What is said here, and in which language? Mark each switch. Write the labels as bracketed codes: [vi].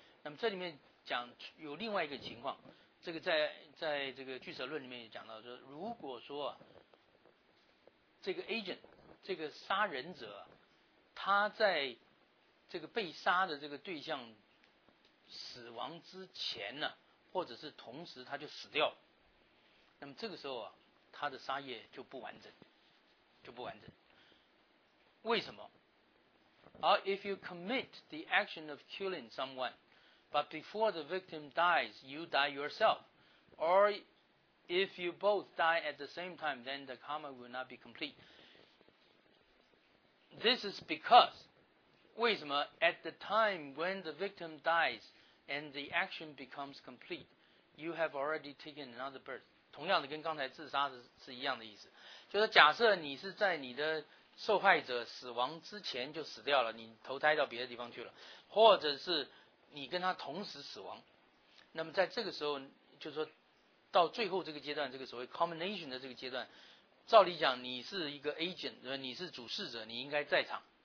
[zh] 那么这里面讲有另外一个情况，这个在这个俱舍论里面也讲到说，如果说、啊、这个 agent 这个杀人者、啊，他在这个被杀的这个对象死亡之前呢、啊，或者是同时他就死掉了，那么这个时候啊，他的杀业就不完整，就不完整。为什么？ [en] 而 if you commit the action of killing someone, but before the victim dies, you die yourself, or if you both die at the same time, then the karma will not be complete. This is because, [zh] 为什么 [en] at the time when the victim dies and the action becomes complete, you have already taken another birth. [zh] 同样的跟刚才自杀 是一样的意思。就是假设你是在你的受害者死亡之前就死掉了，你投胎到别的地方去了，或者是你跟他同时死亡，那么在这个时候，就是说到最后这个阶段，这个所谓 culmination 的这个阶段，照理讲你是一个 agent， 你是主事者，你应该在场，